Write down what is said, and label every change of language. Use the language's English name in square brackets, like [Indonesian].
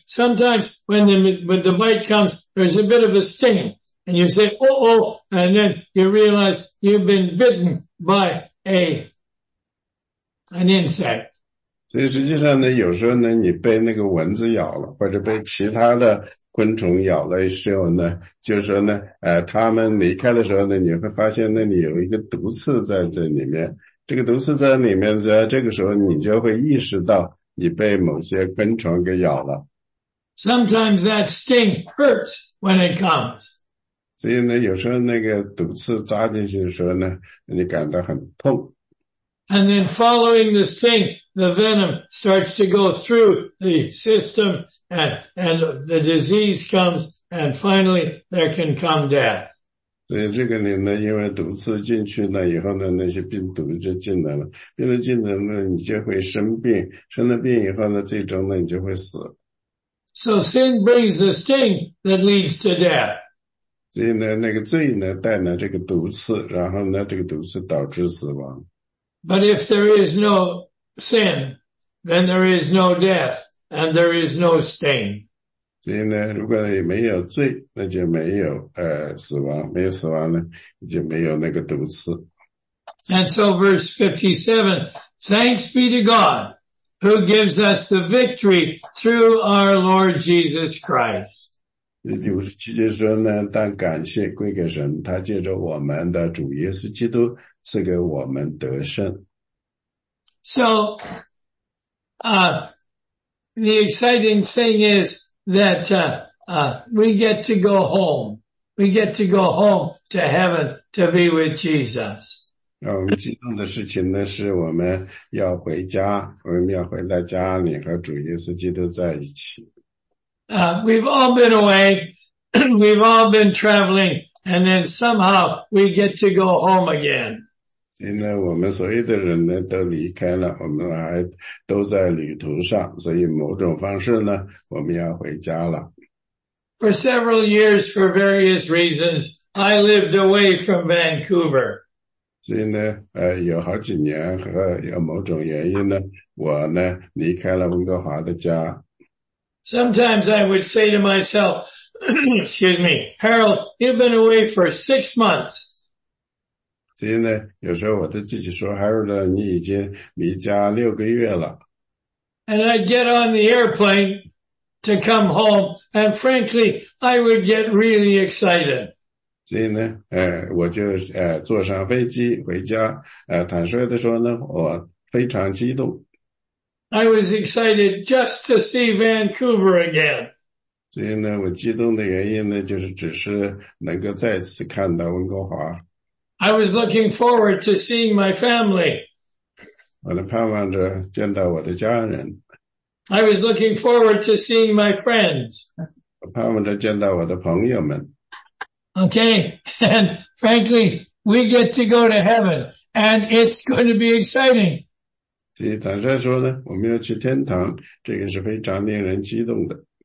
[English] Sometimes when the bite comes, there's a bit of a sting. And you say, oh, and then you realize you've been bitten by an insect. [Chinese] 所以实际上呢，有时候呢，你被那个蚊子咬了，或者被其他的昆虫咬了的时候呢，就是说呢，他们离开的时候呢，你会发现那里有一个毒刺在这里面。这个毒刺在里面，在这个时候你就会意识到你被某些昆虫给咬了。 [English] Sometimes that sting hurts when it comes. [Chinese] 所以呢，有时候那个毒刺扎进去的时候呢，你感到很痛。 [English] And then following the sting, the venom starts to go through the system, and the disease comes, and finally there can come death. [Chinese] 所以这个里呢，因为毒刺进去呢以后呢，那些病毒就进来了，病毒进来呢，你就会生病，生了病以后呢，最终呢，你就会死。 [English] So sin brings the sting that leads to death. [Chinese] 所以呢，那个罪呢，带来这个毒刺，然后呢，这个毒刺导致死亡。 [English] But if there is no sin, then there is no death, and there is no sting. [Chinese] 所以呢，如果没有罪，那就没有死亡；没有死亡呢，就没有那个毒刺。 [English] And so, verse 57: Thanks be to God, who gives us the victory through our Lord Jesus Christ. [Chinese] 57节说呢，但感谢归给神，他借着我们的主耶稣基督赐给我们得胜。 [English] So, the exciting thing is. That, we get to go home. We get to go home to heaven to be with Jesus. [Chinese] 让我们激动的事情呢，是我们要回家，我们要回到家里和主耶稣基督在一起。 [English] We've all been away. We've all been traveling. And then somehow we get to go home again. [Chinese] 现在我们所有的人呢都离开了，我们还都在旅途上，所以某种方式呢，我们要回家了。 [English] For several years, for various reasons, I lived away from Vancouver. [Chinese] 所以呢，有好几年和有某种原因呢，我呢离开了温哥华的家。 [English] Sometimes I would say to myself, excuse me, Harold, you've been away for 6 months. [Chinese] 所以呢，有时候我都自己说 ，Harold， 你已经离家六个月了。 [English] And I'd get on the airplane to come home, and frankly, I would get really excited. [Chinese] 所以呢，我就坐上飞机回家，坦率地说呢，我非常激动。 [English] I was excited just to see Vancouver again. [Chinese] 所以呢，我激动的原因呢，就是只是能够再次看到温哥华。 [English] I was looking forward to seeing my family. [Chinese] 我的盼望着见到我的家人。 [English] I was looking forward to seeing my friends. [Chinese] 我盼望着见到我的朋友们。 [English] Okay, and frankly, we get to go to heaven, and it's going to be exciting. [Chinese] 所以坦率说呢，我们要去天堂，这个是非常令人激动的。